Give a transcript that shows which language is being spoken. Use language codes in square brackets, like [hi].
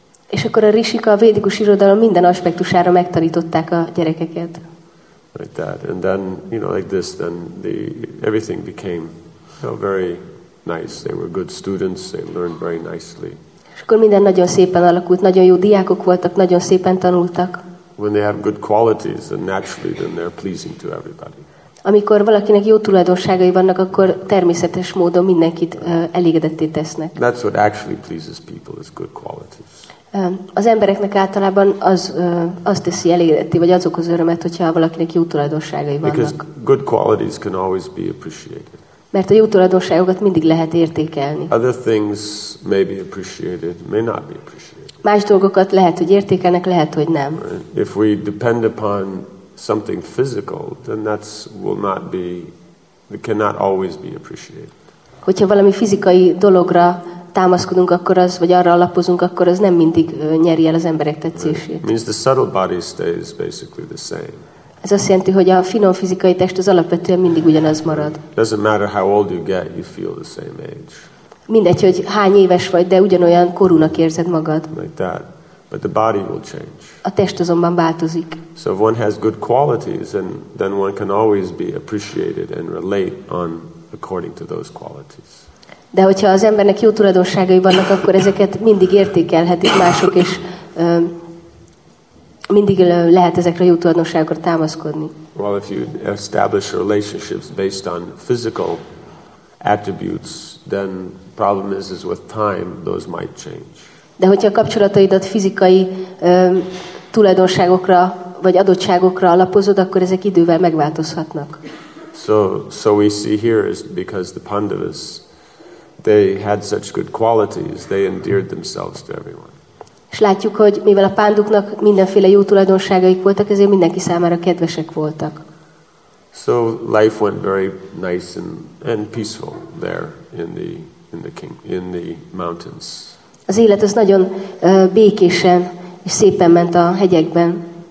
[hu] És akkor a rishik a védikus irodalom minden aspektusára megtanították a gyerekeket. [en] Like that. And then, you know, like this, then everything became, you know, very nice. They were good students, they learned very nicely. [hu] És akkor minden nagyon szépen alakult, nagyon jó diákok voltak, nagyon szépen tanultak. [en] When they have good qualities, then naturally then they're pleasing to everybody. [hu] Amikor valakinek jó tulajdonságai vannak, akkor természetes módon mindenkit elégedetté tesznek. [en] That's what actually pleases people, is good qualities. [hu] Az embereknek általában az teszi elégedetté, vagy az okoz örömet, hogyha valakinek jó tulajdonságai vannak. [en] Because good qualities can always be appreciated. [hu] Mert a jó tulajdonságokat mindig lehet értékelni. [en] Other things may be appreciated, may not be appreciated. [hu] Más dolgokat lehet, hogy értékelnek, lehet, hogy nem. [en] If we depend upon something physical, then that's will not be, it cannot always be appreciated. [hu] Hogyha valami fizikai dologra támaszkodunk, akkor az, vagy arra alapozunk, akkor az nem mindig nyeri el az emberek tetszését. [en] Means the subtle body stays basically the same. [hu] Ez azt jelenti, hogy a finom fizikai test az alapvetően mindig ugyanaz marad. [en] Doesn't matter how old you get, you feel the same age. [hu] Mindegy, hogy hány éves vagy, de ugyanolyan korúnak érzed magad. [en] Like that. But the body will change. [hu] A test azonban változik. [en] So if one has good qualities, then one can always be appreciated and relate on according to those qualities. [hu] De hogyha az embernek jó tulajdonságai vannak, akkor ezeket mindig értékelhetik mások, és mindig lehet ezekre jó tulajdonságokra támaszkodni. [en] Well, if you establish relationships based on physical attributes, then problem is with time those might change. [hu] De hogyha a kapcsolataidat fizikai tulajdonságokra vagy adottságokra alapozod, akkor ezek idővel megváltozhatnak. [en] So we see here is because the Pandavas, they had such good qualities, they endeared themselves to everyone. [hu] És látjuk, hogy mivel a Panduknak mindenféle jó tulajdonságaik voltak, ezért mindenki számára kedvesek voltak. [en] So life went very nice and peaceful there in the mountains. [hu] Az élet az nagyon békésen és szépen ment a hegyekben.